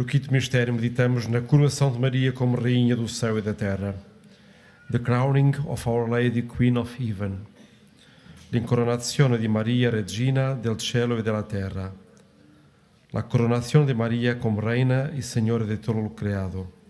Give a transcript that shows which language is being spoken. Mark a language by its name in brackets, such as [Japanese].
[Portuguese] Mistério, meditamos na coroação de Maria como Rainha do Céu e da Terra. [English] The crowning of Our Lady, Queen of Heaven. [Italian] L'incoronazione di Maria, Regina del Cielo e della Terra. [Spanish] la coronación de María como reina y señora de todo lo creado.